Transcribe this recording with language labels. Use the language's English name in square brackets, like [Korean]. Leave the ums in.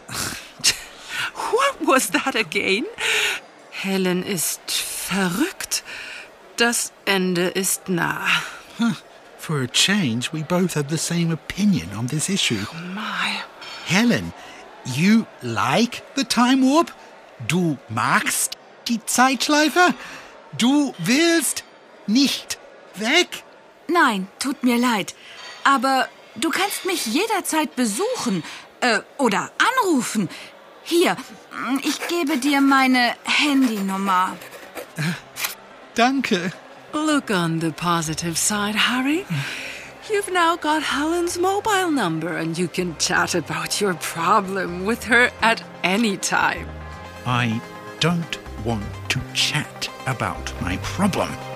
[English] What was that again? [German] Helen ist verrückt. Das Ende ist nah. Huh. [English] For a change, we both have the same opinion on this issue. Oh my. Helen, you like the time warp? [German] Du magst die Zeitschleife? Du willst nicht weg? Nein, tut mir leid. Aber Du kannst mich jederzeit besuchen äh, uh, oder anrufen. Hier, ich gebe dir meine Handynummer. Uh, danke. [English] Look on the positive side, Harry. You've now got Helen's mobile number and you can chat about your problem with her at any time. I don't want to chat about my problem.